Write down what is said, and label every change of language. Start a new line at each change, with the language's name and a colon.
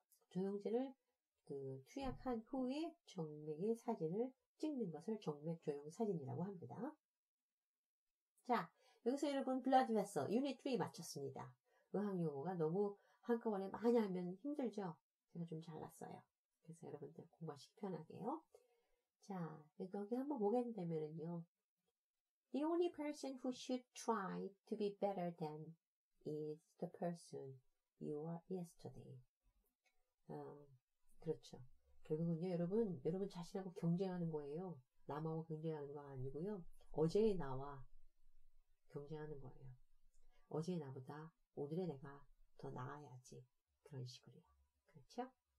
Korean: 조영제를 투약한 후에 정맥의 사진을 찍는 것을 정맥 조영 사진이라고 합니다. 자, 여기서 여러분 blood vessel, unit 3 마쳤습니다. 의학용어가 너무 한꺼번에 많이 하면 힘들죠? 제가 좀 잘랐어요. 그래서 여러분들 공부하시기 편하게요. 자, 여기 한번 보게 되면은요.
English: The only person who should try to be better than is the person you are yesterday.
Korean: 그렇죠. 결국은요, 여러분 자신하고 경쟁하는 거예요. 남하고 경쟁하는 거 아니고요. 어제의 나와 경쟁하는 거예요. 어제의 나보다 오늘의 내가 더 나아야지. 그런 식으로요. 그렇죠?